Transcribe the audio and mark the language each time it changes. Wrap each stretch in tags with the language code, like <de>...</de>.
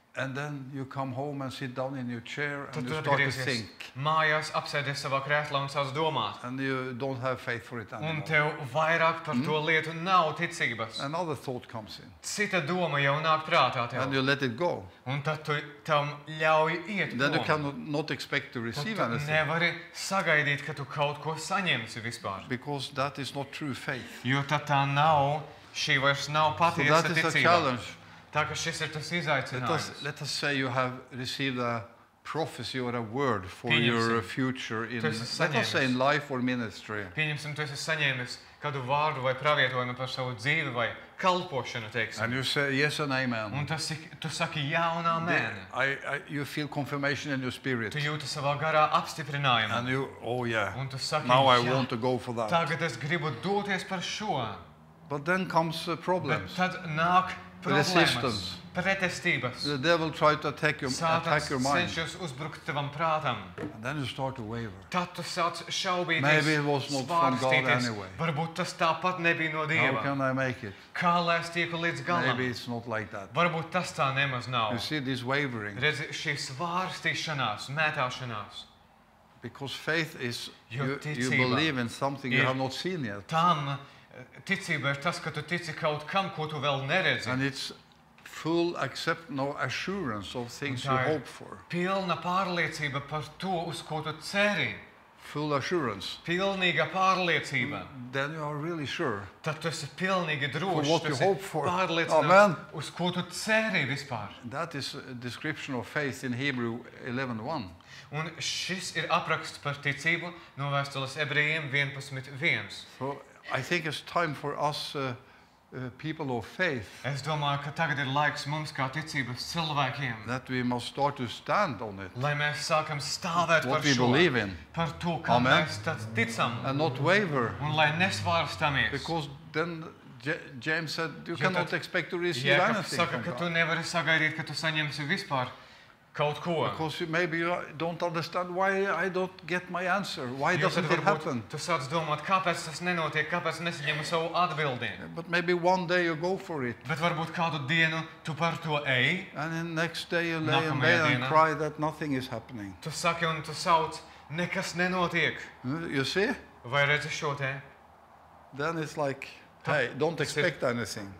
<en>And then you come home and sit down in your chair and you start to think.</en> <lv>Mājās apsēdies savā krēslā un sāc domāt.</lv> <en>And you don't have faith for it anymore.</en> <lv>Un tev vairāk par to lietu nav ticības.</lv> <en>Another thought comes in.</en> <lv>Cita doma jau nāk prātā tev.</lv> <en>And you let it go.</en> <lv>Un tad tu tam ļauj iet.</lv> <en>Then you cannot expect to receive anything.</en> <lv>Tu nevari sagaidīt, ka tu kaut ko saņemsi vispār.</lv> <en>Because that is not true faith.</en> <lv>Jo tad tā nav, šī vairs nav patiesa ticība.</lv> <en>So that is a challenge.</en> <lv>Tā ka šis ir tas izaicinājums.</lv> <en>Let us say you have received a prophecy or a word for your future in, let us say, in life or ministry.</en> <lv>Pieņemsim, tu esi saņēmis kādu vārdu vai pravietojumu par savu dzīvi vai kalpošanu, teiksim.</lv> <en>And you say yes and amen.</en> <lv>Un tas, tu saki jā un amen.</lv> <en>You feel confirmation in your spirit.</en> <lv>Tu jūti savā garā apstiprinājumu.</lv> <en>And you, oh yeah,</en> <lv>un tu saki,</lv> <en>now</en> <lv>jā.</lv> <en>I want to go for that.</en> <lv>Tagad es gribu doties par šo.</lv> <en>But then comes problems.</en> <lv>Bet tad nāk</lv> <en>resistance.</en> <lv>Pretestības.</lv> <en>The devil tried to attack your mind.</en> <lv>Sāks cenšas uzbrukt tavam prātam.</lv> <en>And then you start to waver.</en> <lv>Tad tu sāc šaubīties.</lv> <en>Maybe it was not from God anyway.</en> <lv>Varbūt tas tāpat nebija no Dieva.</lv> <en>How can I make it?</en> <lv>Kā lai es tieku līdz galam?</lv> <en>Maybe it's not like that.</en> <lv>Varbūt tas tā nemaz nav.</lv> <en>You see this wavering.</en> <lv>Redzi, šī svārstīšanās, mētāšanās.</lv> <en>Because faith is you believe in something you have not seen yet.</en> <lv>Tam ticība ir tas, ka tu tici kaut kam, ko tu vēl neredzi.</lv> <en>And it's full accept no assurance of things you hope for.</en> <lv>Pilna pārliecība par to, uz ko tu ceri.</lv> <en>Full assurance.</en> <lv>Pilnīga pārliecība.</lv> <en>Then you are really sure.</en> <lv>Tad tu esi pilnīgi drošs.</lv> <en>For what you hope for.</en> <lv>Amen. Uz ko tu ceri vispār.</lv> <en>That is a description of faith in Hebrew 11:1.</en> <lv>Un šis ir apraksts par ticību no vēstules Ebrejiem 11:1.</lv> <en>I think it's time for us people of faith.</en> <lv>Es domāju, ka tagad ir laiks mums kā ticības cilvēkiem.</lv> <en>That we must start to stand on it.</en> <lv>Lai mēs sākam stāvēt</lv> <en>what</en> <lv>par šo.</lv> <en>What we believe in.</en> <lv>Par to, ka mēs tad ticam.</lv> <en>And not waver.</en> <lv>Un lai nesvārstamies.</lv> <en>Because then James said you cannot expect to receive anything.</en> <lv>Jēkabs saka, ka tu nevari sagaidīt, ka tu saņemsi vispār kaut ko.</lv> <en>Because maybe you don't understand why I don't get my answer. Why doesn't it happen?</en> <lv>Tu sāc domāt, kāpēc tas nenotiek, kāpēc nesaņemu savu atbildi.</lv> <en>But maybe one day you go for it.</en> <lv>Bet varbūt kādu dienu tu par to ej.</lv> <en>And then next day you lay in bed and cry that nothing is happening.</en> <lv>Tu saki un tu sauc, nekas nenotiek.</lv> <en>You see?</en> <lv>Vai redzi šo te?</lv> <en>Then it's like, Hey, don't expect anything.</en>